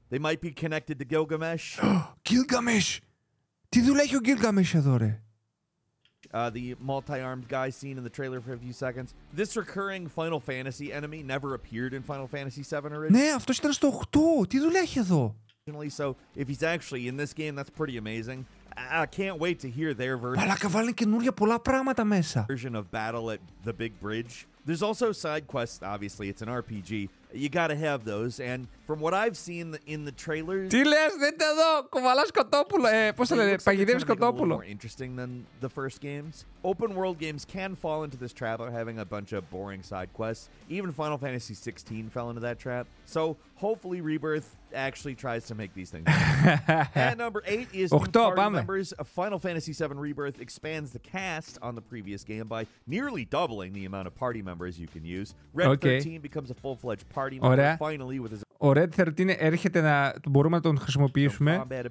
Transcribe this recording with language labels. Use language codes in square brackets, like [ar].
[en] They might be connected to Gilgamesh. Gilgamesh! [el] Τι δουλειά έχει ο Gilgamesh εδώ, ρε? [en] The multi-armed guy seen in the trailer for a few seconds. This recurring Final Fantasy enemy never appeared in Final Fantasy 7 originally. [el] Ναι, αυτός ήταν στο 8. Τι δουλειά έχει εδώ? [en] So, if he's actually in this game, that's pretty amazing. I can't wait to hear their version. [el] Μαλάκα, βάλουν καινούργια πολλά πράγματα μέσα. [en] Version of Battle at the Big Bridge. There's also side quests, obviously. It's an RPG. You gotta have those. And from what I've seen in the trailers... [el] Τι λες, δείτε εδώ! Κουβαλάς κοτόπουλο. Πώς θα λένε, παγιδεύεις κοτόπουλο. [en] More interesting than the first games. Open world games can fall into this trap of having a bunch of boring side quests. Even Final Fantasy 16 fell into that trap. So, hopefully Rebirth actually tries to make these things. At number 8 is... 8, party members of Final Fantasy 7 Rebirth expands the cast on the previous game by nearly doubling the amount of party members you can use. Red 13 becomes a full-fledged party member finally with his... [el] Ο Red 13 έρχεται να μπορούμε να τον χρησιμοποιήσουμε.